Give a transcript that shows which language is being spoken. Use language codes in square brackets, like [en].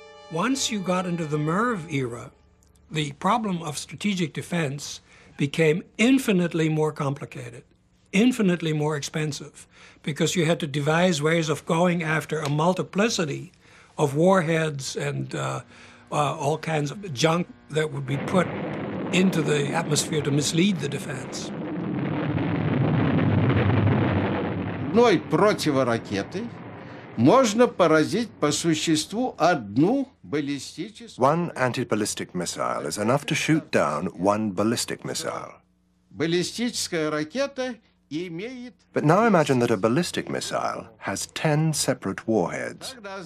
[en] Once you got into the MIRV era, the problem of strategic defense became infinitely more complicated, infinitely more expensive, because you had to devise ways of going after a multiplicity of warheads and all kinds of junk that would be put into the atmosphere to mislead the defense. [ru] Одной противоракетой можно поразить по существу одну баллистическую. [en] One anti-ballistic missile is enough to shoot down one ballistic missile. [ru] Баллистическая ракета имеет. [en] But now imagine that a ballistic missile has 10 separate warheads.